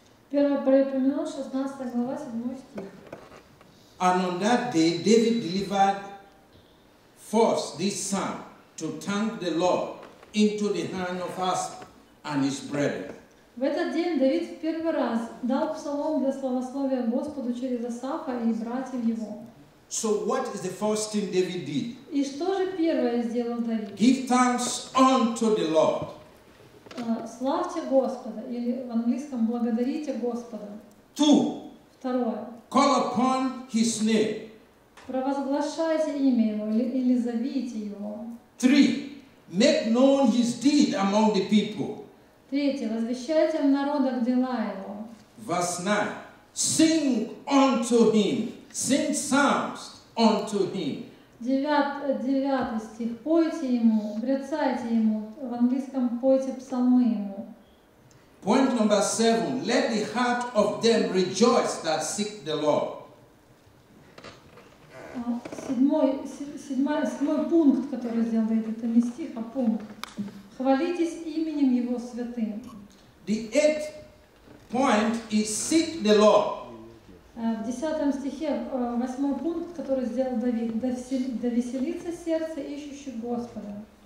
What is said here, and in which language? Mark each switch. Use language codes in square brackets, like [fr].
[ru] Первое Паралипомено, 16 глава, 7 стих. [en] And on that day, David delivered force this psalm to thank the Lord into the hand of us and his brethren. [ru] В этот день Давид в первый раз дал псалом для славословия Господу через Асафа и братьев его. [en] So what is the first thing David did? [ru] И что же первое сделал Давид? [en] Give thanks unto the Lord. [ru] Славьте Господа, или в английском благодарите Господа. [en] Two. [ru] Второе. [en] Call upon his name. [ru] Провозглашайте имя его или зовите его. [en] Three, make known his deed among the people. [ru] Третье, возвещайте в народах дела его. [en] Verse 9, sing unto him, sing psalms unto him. [ru] Девятый стих, пойте ему, бряцайте ему, в английском пойте псалмы ему. [en] Point number 7, let the heart of them rejoice that seek the Lord. [ru] Седьмой пункт, который сделал Давид, это не стих, а пункт. Хвалитесь именем Его святым. [en] The eighth point is seek the Lord. [ru] В десятом стихе, восьмой пункт, который сделал Давид, да веселится сердце, ищущее Господа.